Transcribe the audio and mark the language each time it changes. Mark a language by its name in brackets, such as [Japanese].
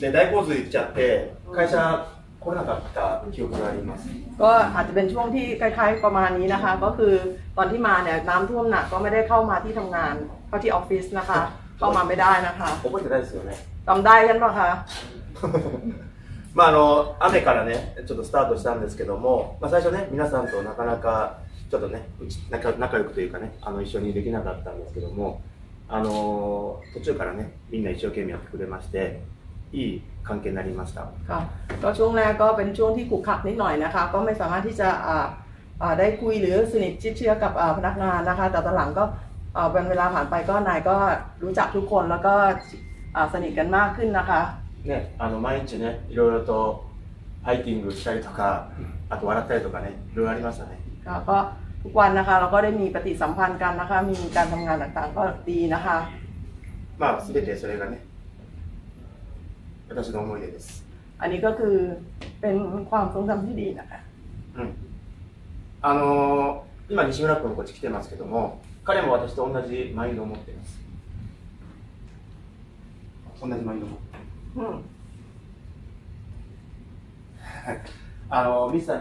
[Japanese] で、大洪水行っちゃって、会社来れなかった記憶があります。 [Thai] ก็อาจจะเป็นช่วงที่คล้ายๆประมาณนี้นะคะ。ก็คือตอนที่มาเนี่ยน้ำท่วมหนักก็ไม่ได้เข้ามาที่ทำงานเข้าที่ออฟฟิศนะคะ。 เข้ามาไม่ได้นะคะ。 [Japanese] 覚えてないですよね。 [Thai] จำได้ใช่ไหมคะ。 [Japanese] まああの雨からね、ちょっとスタートしたんですけども、まあ最初ね、皆さんとなかなか。ちょっとね、仲良くというかね、一緒にできなかったんですけども、途中からね、みんな一生懸命やってくれまして、いい関係になりました。 [Thai] ค่ะ、ก็ช่วงแรกก็เป็นช่วงที่ขุกขักนิดหน่อยนะคะ、ก็ไม่สามารถที่จะได้คุยหรือสนิทชิดเชื้อกับพนักงานนะคะ、แต่ตอนหลังก็เป็นเวลาผ่านไปก็นายก็รู้จักทุกคนแล้วก็สนิทกันมากขึ้นนะคะ。 [Japanese] ね、毎日ね、いろいろとファイティングしたりとか、あと笑ったりとかね、いろいろありましたね。 [Thai] ค่ะ、ก็ทุกวันนะคะเราก็ได้มีปฏิสัมพันธ์กันนะคะมีการทำงานต่างๆก็ดีนะคะ มาสิ่งที่ [Japanese] それがね私の思い出です [Thai] อันนี้ก็คือเป็นความทรงจำที่ดีนะคะ [Japanese] あの今西村君こっち来てますけども彼も私と同じマインドを持っています同じマインドMr.